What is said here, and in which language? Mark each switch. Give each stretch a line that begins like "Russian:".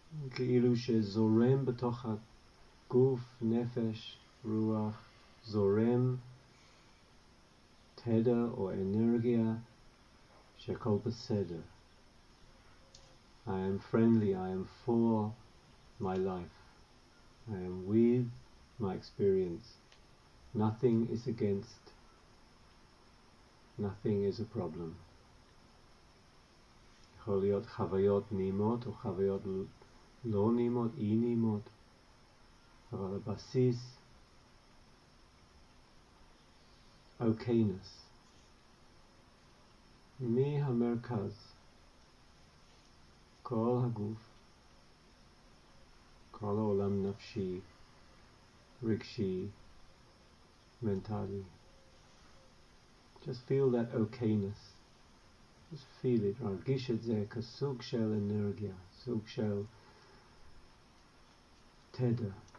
Hebrew: כאילו שזורם בתוך הגוף, נפש, רוח, זורם תדר או אנרגיה שהכל בסדר.
English: I am friendly, I am for my life. I am with my experience. Nothing is against. Nothing is a problem.
Hebrew: יכול להיות חוויות נעימות או חוויות לא נעימות, אי נעימות, אבל הבסיס אוקיינס. מהמרכז, כל הגוף, כל העולם נפשי, רגשי, מנטלי.
English: Just feel that אוקיינס. Just feel it,
Hebrew: רגיש את זה כסוג של אנרגיה, סוג של תדר.